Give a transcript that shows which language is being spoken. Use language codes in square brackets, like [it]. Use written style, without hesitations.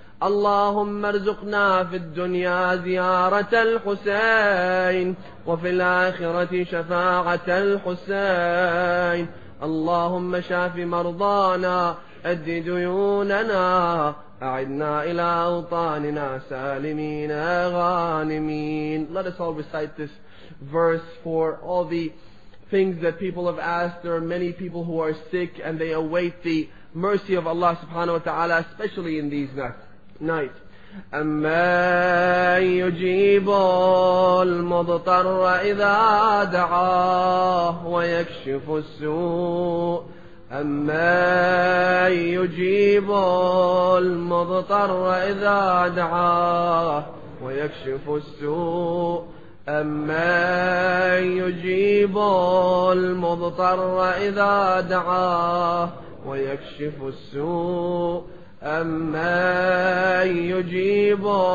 [ar] اللهم ارزقنا في الدنيا زيارة الحسين وفي الآخرة شفاعة الحسين اللهم شاف مرضانا أد ديوننا أعدنا إلى أوطاننا سالمين غانمين. [en] Let us all recite this verse for all the things that people have asked. There are many people who are sick and they await the mercy of Allah subhanahu wa ta'ala, especially in these nights. [ar] أَمَّنْ يُجِيبُ الْمُضْطَرَّ إِذَا دَعَاهُ وَيَكْشِفُ السُّوءَ أَمَّنْ يُجِيبُ الْمُضْطَرَّ إِذَا دَعَاهُ وَيَكْشِفُ السُّوءَ أَمَّنْ يُجِيبُ الْمُضْطَرَّ إِذَا دَعَاهُ وَيَكْشِفُ السُّوءَ أَمَّنْ يُجِيبُ